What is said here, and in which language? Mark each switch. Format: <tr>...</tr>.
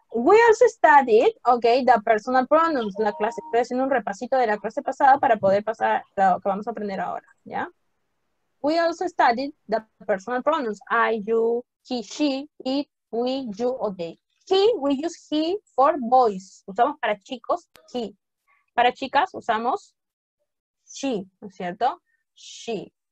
<en>We also studied, okay, the personal pronouns,</en> <es>la clase. Estoy haciendo un repasito de la clase pasada para poder pasar lo que vamos a aprender ahora, ¿ya?</es> <en>We also studied the personal pronouns, I, you, he, she, it, we, you, or they. He, we use he for boys.</en> <es>Usamos para chicos,</es> <en>he.</en> <es>Para chicas, usamos she, ¿no es cierto? She.</es>